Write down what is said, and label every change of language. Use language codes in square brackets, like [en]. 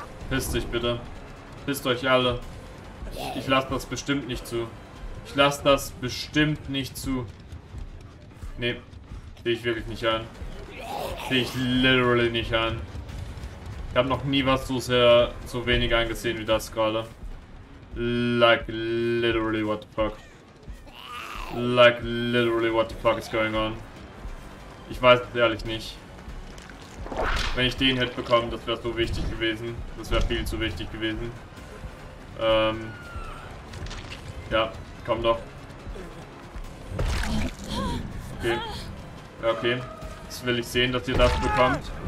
[de] Pisst dich bitte. Pisst euch alle. Ich lasse das bestimmt nicht zu. Ich lasse das bestimmt nicht zu. Nee, sehe ich wirklich nicht an. Sehe ich literally nicht an. Ich habe noch nie was so wenig angesehen wie das gerade. [en] Like literally what the fuck. Like literally what the fuck is going on. [de] Ich weiß es ehrlich nicht. Wenn ich den Hit bekomme, das wäre so wichtig gewesen. Das wäre viel zu wichtig gewesen. Ja, komm doch. Okay. Okay. Das will ich sehen, dass ihr das bekommt.